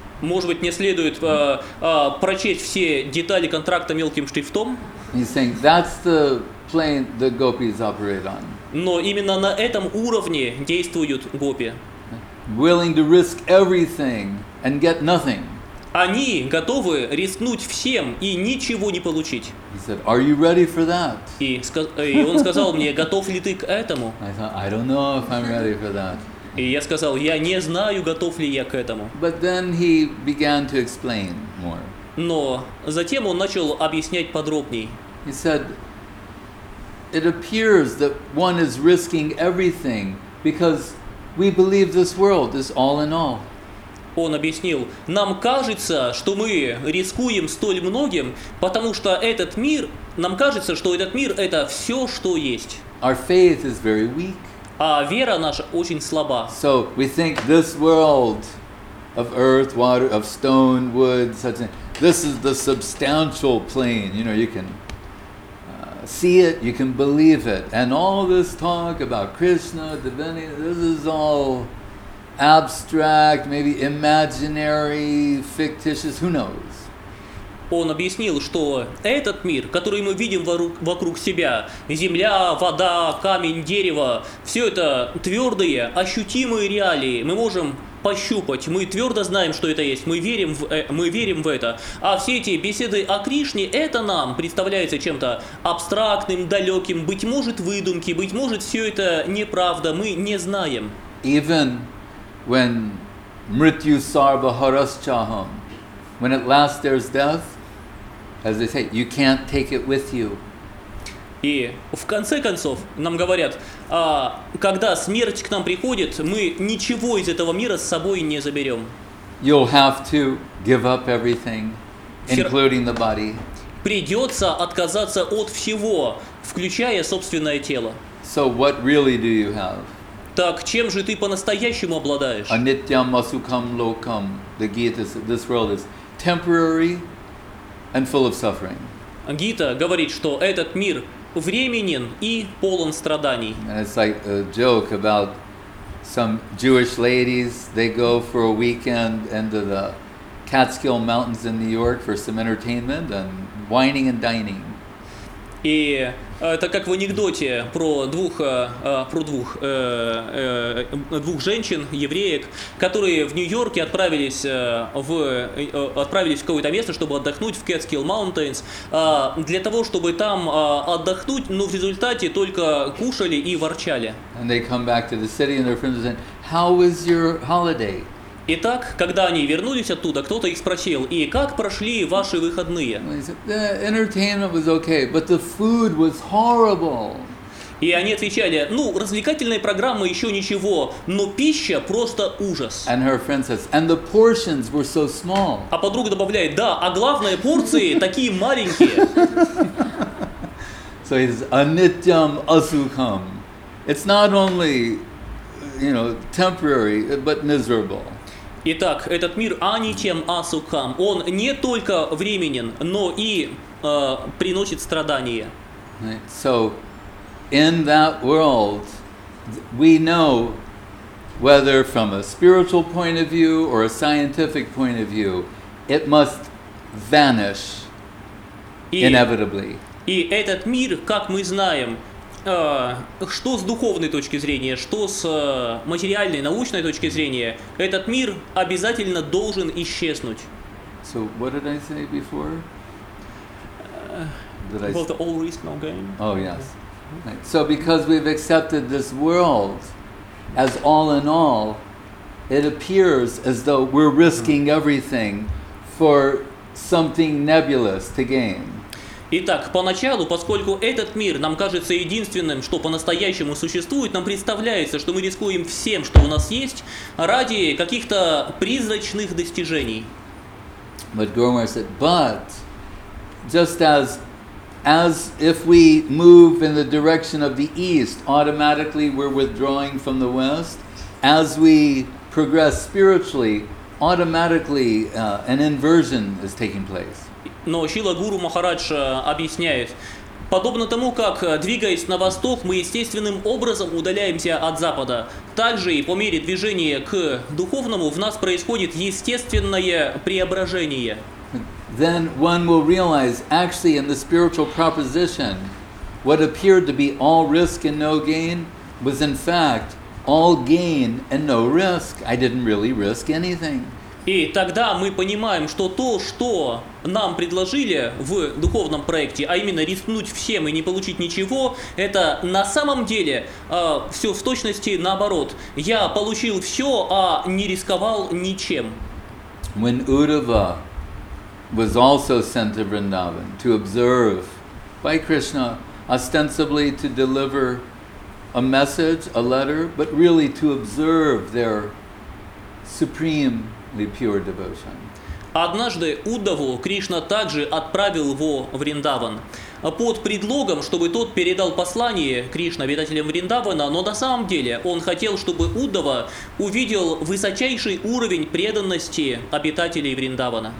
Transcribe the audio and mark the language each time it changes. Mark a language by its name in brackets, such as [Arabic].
[Russian] Может быть, мне следует прочесть все детали контракта мелким шрифтом? [English] He's saying that's the plane the gopis operate on. [Russian] Но именно на этом уровне действуют гопи. [English] Willing to risk everything and get nothing. [Russian] Они готовы рискнуть всем и ничего не получить. [English] He said, "Are you ready for that?" [Russian] И он сказал мне, готов ли ты к этому? [English] I thought, "I don't know if I'm ready for that." [Russian] И я сказал, я не знаю, готов ли я к этому. [English] But then he began to explain more. [Russian] Но затем он начал объяснять подробней. [English] He said, "It appears that one is risking everything because we believe this world is all in all." [Russian] Он объяснил, нам кажется, что мы рискуем столь многим, потому что этот мир, нам кажется, что этот мир – это все, что есть. [English] Our faith is very weak. [Russian] А вера наша очень слаба. [English] So we think this world of earth, water, of stone, wood, such thing, this is the substantial plane. You know, you can see it, you can believe it. And all this talk about Krishna, divinity, this is all abstract, maybe imaginary, fictitious, who knows? [Russian] Он объяснил, что этот мир, который мы видим вокруг себя, земля, вода, камень, дерево, все это твердые, ощутимые реалии. Мы можем пощупать, мы твердо знаем, что это есть, мы верим в это. А все эти беседы о Кришне, это нам представляется чем-то абстрактным, далеким, быть может, выдумки, быть может, все это неправда, мы не знаем. [English] Even when [Sanskrit] mrityu sarva harascham, [English] when at last there's death, as they say, you can't take it with you. [Russian] И в конце концов нам говорят, когда смерть к нам приходит, мы ничего из этого мира с собой не заберем. [English] You'll have to give up everything, including the body. [Russian] Придется отказаться от всего, включая собственное тело. [English] So what really do you have? [Russian] Так чем же ты по-настоящему обладаешь? [Sanskrit] Anityam asukam lokam. [English] The Gita says this world is temporary and full of suffering. [Russian] Гита говорит, что этот мир временен и полон страданий. [English] And it's like a joke about some Jewish ladies. They go for a weekend into the Catskill Mountains in New York for some entertainment and wining and dining. [Russian] И это как в анекдоте про двух женщин, евреек, которые в Нью-Йорке отправились в какое-то место, чтобы отдохнуть в Catskill Mountains, для того, чтобы там отдохнуть, но в результате только кушали и ворчали. [English] And they come back to the city and their friends say, "How was your holiday?" [Russian] Итак, когда они вернулись оттуда, кто-то их спросил, и как прошли ваши выходные? [English] The entertainment was okay, but the food was horrible. [Russian] И они отвечали, ну, развлекательные программы еще ничего, но пища просто ужас. [English] And her friend says, and the portions were so small. [Russian] А подруга добавляет, да, а главное, порции такие маленькие. [English] So it's [Sanskrit] anityam asukham. [English] It's not only, you know, temporary, but miserable. [Russian] Итак, этот мир [Sanskrit] аничем асукам, [Russian] он не только временен, но и приносит страдания. [English] Right. So, in that world, we know, whether from a spiritual point of view or a scientific point of view, it must vanish inevitably. [Russian] И этот мир, как мы знаем, что с духовной точки зрения, что с материальной, научной точки зрения, этот мир обязательно должен исчезнуть. [English] So what did I say before? About the all risk, no gain. Oh yes. Right. So because we've accepted this world as all in all, it appears as though we're risking everything for something nebulous to gain. [Russian] Итак, поначалу, поскольку этот мир нам кажется единственным, что по-настоящему существует, нам представляется, что мы рискуем всем, что у нас есть, ради каких-то призрачных достижений. [English] But Guru Maharaj said, but just as if we move in the direction of the east, automatically we're withdrawing from the west. As we progress spiritually, automatically an inversion is taking place. [Russian] Но Шрила Гуру Махарадж объясняет, подобно тому, как, двигаясь на восток, мы естественным образом удаляемся от запада, так же и по мере движения к духовному в нас происходит естественное преображение. [English] Then one will realize, actually, in the spiritual proposition, what appeared to be all risk and no gain was, in fact, all gain and no risk. I didn't really risk anything. [Russian] И тогда мы понимаем, что то, что нам предложили в духовном проекте, а именно рискнуть всем и не получить ничего, это на самом деле все в точности наоборот. Я получил все, а не рисковал ничем. [English] When Uddhava was also sent to Vrindavan to observe by Krishna, ostensibly to deliver a message, a letter, but really to observe their supreme pure devotion. [Russian] Однажды Уддаву Кришна также отправил во Вриндаван под предлогом, чтобы тот передал послание Кришне обитателям Вриндавана, но на самом деле он хотел, чтобы Уддава увидел высочайший уровень преданности обитателей Вриндавана.